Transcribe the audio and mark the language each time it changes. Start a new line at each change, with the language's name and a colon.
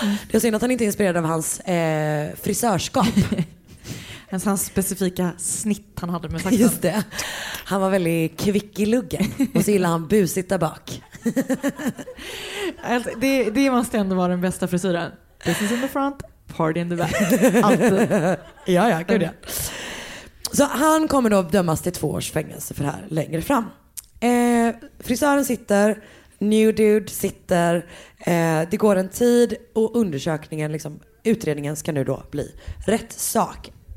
Swedish: Det är synd att han inte är inspirerad av hans frisörskap. En sån specifika snitt han hade med saxen. Just det. Han var väldigt kvick i luggen. Och så gillade han busigt där bak. Det måste ändå vara den bästa frisyren.
English: Business in the front, party in the back.
Swedish: Ja, ja, gud ja. Så han kommer då dömas till 2 års fängelse för det här längre fram. Frisören sitter,
English: new dude
Swedish: sitter. Det går en tid och undersökningen, liksom, utredningen ska nu då bli rätt sak.